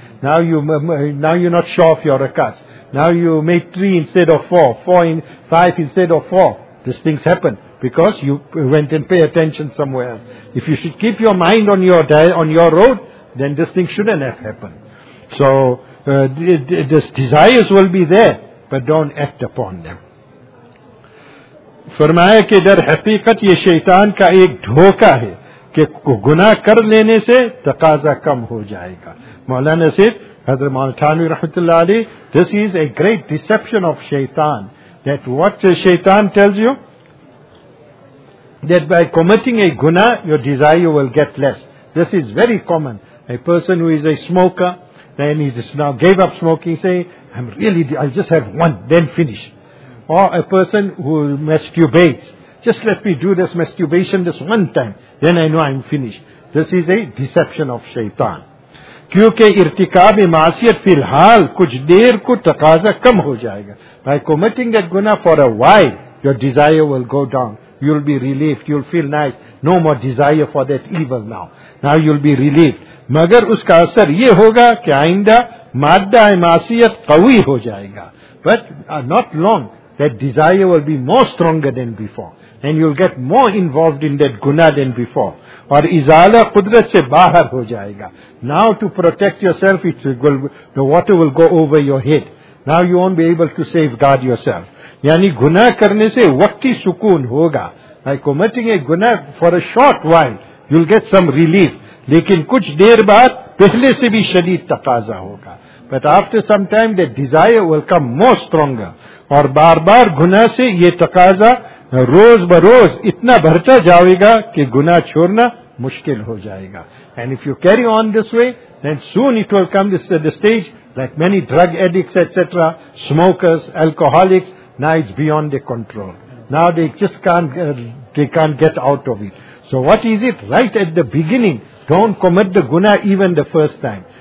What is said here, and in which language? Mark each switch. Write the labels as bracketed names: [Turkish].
[English] Now you're not sure of your rakats. Now you made 3 instead of 4, 4 in 5 instead of 4. These things happen because you went and pay attention somewhere else. If you should keep your mind on your road, then this thing shouldn't have happened. So these desires will be there, but don't act upon them. [Urdu] فرمایا کہ در حقیقت یہ شیطان کا ایک دھوکہ ہے کہ گناہ کر لینے سے تقاضا کم ہو جائے گا. [English] مولانا سید حضرت مولانا تھانوی رحمت اللہ علیہ, this is a great deception of شیطان, that what شیطان tells you that by committing a guna your desire will get less. This is very common. A person who is a smoker, then he just now gave up smoking, say I'll just have one then finish. Or a person who masturbates, just let me do this masturbation this one time, then I know I'm finished. This is a deception of shaitan. [Urdu] کیونکہ ارتکاب معصیت فی الحال کچھ دیر کو تقاضا کم ہو جائے گا. [English] By committing that guna for a while, your desire will go down. You'll be relieved. You'll feel nice. No more desire for that evil now. Now you'll be relieved. [Urdu] مگر اس کا اثر یہ ہوگا کہ آئندہ مادہ معصیت قوی ہو جائے گا. [English] But not long. That desire will be more stronger than before. And you'll get more involved in that guna than before. [Urdu] اور ازالہ قدرت سے باہر ہو جائے گا. [English] Now to protect yourself, the water will go over your head. Now you won't be able to safeguard yourself. [Urdu] یعنی گناہ کرنے سے وقتی سکون ہوگا. [English] By committing a guna for a short while, you'll get some relief. [Urdu] لیکن کچھ دیر بعد پہلے سے بھی شدید تقاضا ہوگا. [English] But after some time, the desire will come more stronger. [Urdu] اور بار بار گناہ سے یہ تقاضا روز بروز اتنا بڑھتا جاوے گا کہ گناہ چھوڑنا مشکل ہو جائے گا. [English] And if you carry on this way, then soon it will come to the stage, like many drug addicts, etc., smokers, alcoholics, now it's beyond their control. Now they just can't get out of it. So what is it? Right at the beginning, don't commit the guna even the first time.